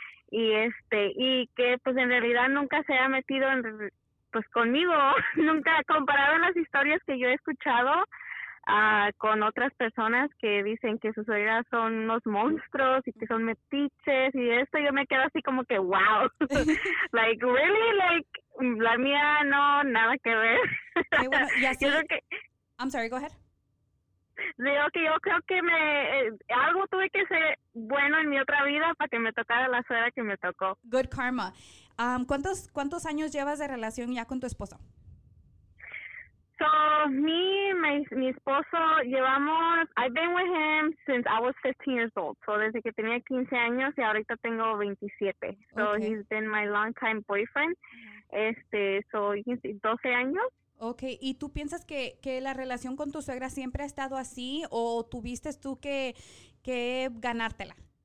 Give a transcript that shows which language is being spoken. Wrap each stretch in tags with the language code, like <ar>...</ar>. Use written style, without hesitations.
<es>Y y que pues en realidad nunca se ha metido en, pues conmigo, nunca, comparado las historias que yo he escuchado con otras personas que dicen que sus suegras son unos monstruos y que son metiches y esto, yo me quedo así como que</es> <en>wow, like really, like,</en> <es>la mía no, nada que ver.</es> <en>Okay,</en> <es>bueno, y así,</es> <en>I'm sorry, go ahead.</en> <es>Digo que yo creo que algo tuve que ser bueno en mi otra vida para que me tocara la suegra que me tocó.</es> <en>Good karma.</en> <es>¿Cuántos años llevas de relación ya con tu esposo?</es> <en>So,</en> <es>mi esposo,</es> <en>I've been with him since I was 15 years old.</en> <es>So, desde que tenía 15 años y ahorita tengo 27.</es> <en>So, okay. He's been my long time boyfriend. Mm-hmm. So, you can see,</en> <es>12 años. Okay, ¿y tú piensas que la relación con tu suegra siempre ha estado así o tuviste tú que ganártela?</es>